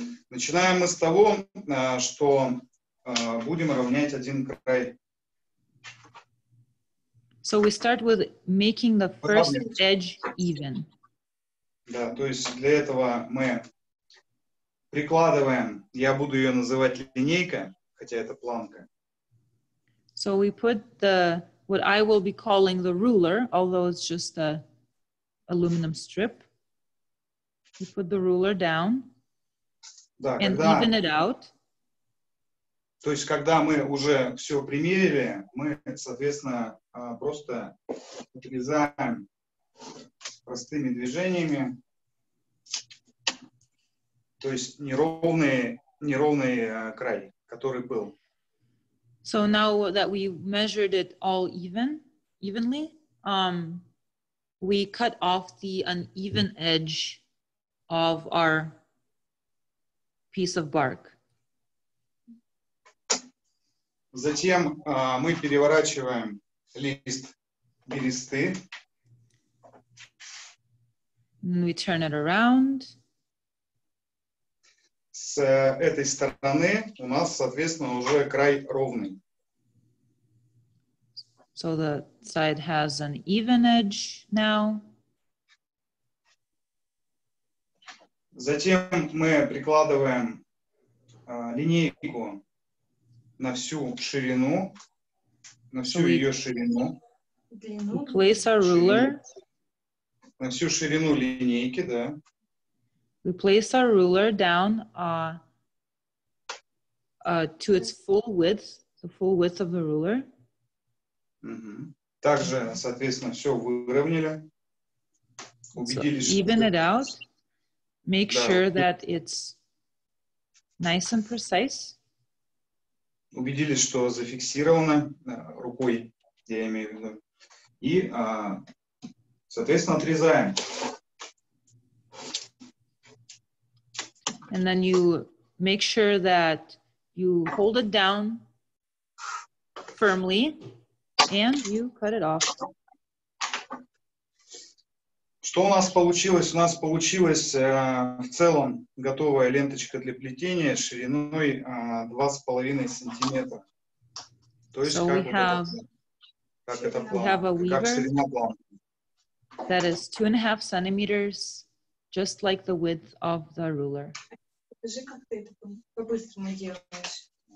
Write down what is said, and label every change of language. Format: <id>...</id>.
<ru>Начинаем мы с того, что будем равнять один край.</ru> <en>So we start with making the first edge even.</en> <ru>Да, то есть для этого мы прикладываем, я буду ее называть линейка, хотя это планка.</ru> <en>So we put the, what I will be calling the ruler, although it's just a aluminum strip. We put the ruler down,</en> <ru>да,</ru> <en>and</en> <ru>когда,</ru> <en>even it out.</en> <ru>То есть когда мы уже все примерили, мы, соответственно, просто отрезаем простыми движениями. То есть неровный край, который был.</ru> <en>So now that we measured it all evenly, we cut off the uneven edge of our piece of bark.</en> <ru>Затем мы переворачиваем лист бересты.</ru> <en>And we turn it around.</en> <ru>С этой стороны у нас, соответственно, уже край ровный.</ru> <en>So the side has an even edge now.</en> <ru>Затем мы прикладываем линейку на всю ширину, на всю ее ширину.</ru> <en>You place our ruler.</en> <ru>На всю ширину линейки, да.</ru> <en>We place our ruler down to its full width, the full width of the ruler. Mm-hmm.</en> <ru>Также, соответственно, все выровняли. Убедились,</ru> <en>so even it out. Make sure that it's nice and precise.</en> <ru>Убедились, что зафиксировано рукой, я имею в виду. И, соответственно, отрезаем.</ru> <en>And then you make sure that you hold it down firmly and you cut it off.</en> <ru>Что у нас получилось? У нас получилась в целом готовая ленточка для плетения шириной 2,5 сантиметра. То есть,</ru> <en>so</en> <ru>как</ru> <en>we</en> <ru>вот</ru> <en>have,</en> <ru>это, как</ru> <en>we have a weaver that is 2.5 centimeters, just like the width of the ruler.</en> <ru>Скажи, как ты это по-быстрому делаешь?</ru>